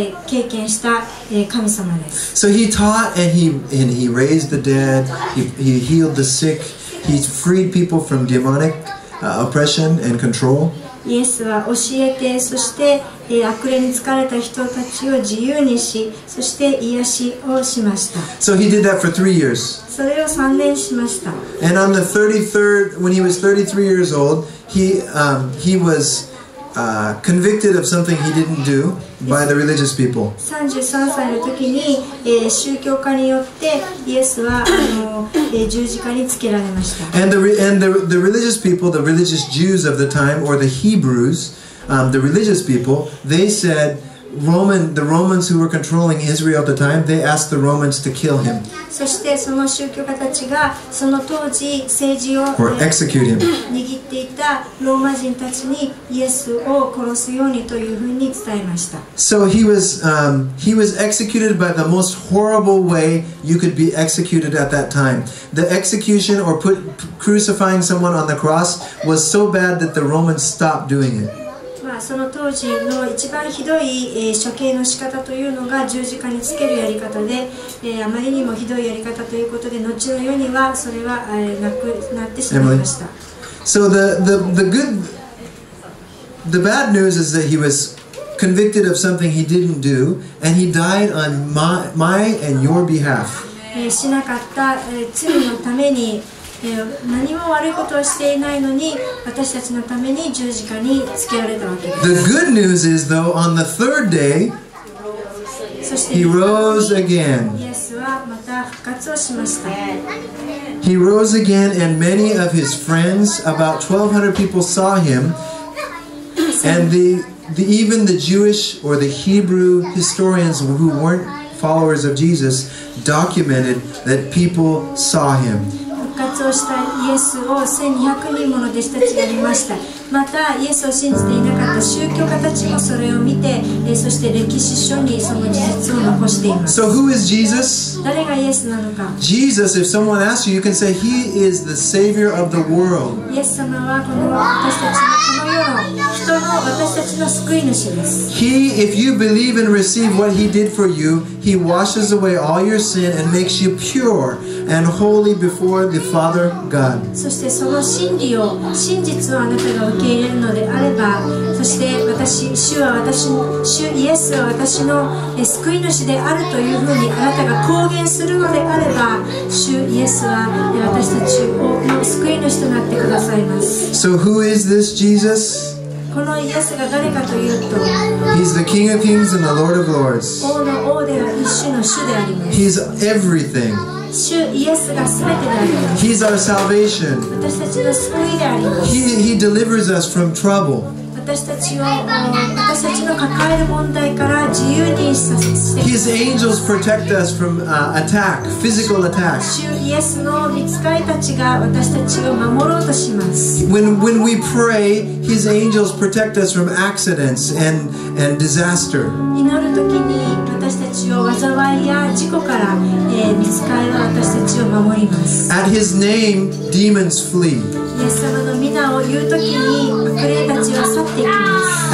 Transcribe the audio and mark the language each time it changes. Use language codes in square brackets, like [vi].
[en] So he taught and he raised the dead, he healed the sick, he freed people from demonic oppression and control. [ja] イエスは教えて、そして、悪霊に疲れた人たちを自由にし、そして癒しをしました。 [en] So he did that for 3 years. [ja] それを3年しました。 [en] And on the 33rd, when he was 33 years old, he was convicted of something he didn't do. by the religious people. [ja] 33歳の時に、宗教家によってイエスは十字架につけられました。 [en] And the religious people, the religious Jews of the time, or the Hebrews, the religious people, they said, the Romans who were controlling Israel at the time, they asked the Romans to kill him. [ja] そしてその宗教家たちがその当時政治を [en] or execute him. [ja] 握っていたローマ人たちにイエスを殺すようにというふうに伝えました。 [en] So he was executed by the most horrible way you could be executed at that time. The execution or crucifying someone on the cross was so bad that the Romans stopped doing it. [ja] その当時の一番ひどい、処刑の仕方というのが十字架につけるやり方で、あまりにもひどいやり方ということで後の世にはそれは、なってしまいました。 [en] So the bad news is that he was convicted of something he didn't do and he died on my and your behalf. [ja] しなかった、罪のために何も悪いことをしていないのに私たちのために十字架につけられたわけです。 [en] The good news is though, on the third day, he rose again. [ja] イエスはまた復活をしました。 [en] He rose again and many of his friends, about 1200 people saw him, and even the Jewish or the Hebrew historians who weren't followers of Jesus documented that people saw him. [ja] 復活をしたイエスを1200人もの弟子たちが見ました。またイエスを信じていなかった宗教家たちもそれを見て、そして歴史書にその事実を残しています。 [en] So who is Jesus? [ja] 誰がイエスなのか。 [en] Jesus, if someone asks you, you can say he is the savior of the world. [ja] イエス様はこの私たちのこの世の [en] He, if you believe and receive what he did for you, he washes away all your sin and makes you pure and holy before the Father God. [ja] そしてその真理を、真実をあなたが受け入れるのであれば、そして私、主は私の、主イエスは私の救い主であるというふうにあなたが公言するのであれば、主イエスは私たちを救い主となってくださいます。 [en] So who is this Jesus? [ja] このイエスが誰かというと、 [en] He's the King of Kings and the Lord of Lords. [ja] 王の王である一種の主であります。 [en] He's everything. [ja] 主イエスが全てであります。 [en] He's our salvation. [ja] 私たちの救いであります。 [en] He delivers us from trouble. [ja] 私たちの抱える問題から自由にさせてくれます。 [en] His angels protect us from attack, physical attack. [ja] 主イエスの御使いたちが私たちを守ろうとします。 [en] When we pray,His angels protect us from accidents and disaster. [ja] 祈る時に私たちを災いや事故から、御使いは私たちを守ります。 [en] At His name, demons flee. [ja] イエス様の名を言う時に悪霊たちは去っていきます。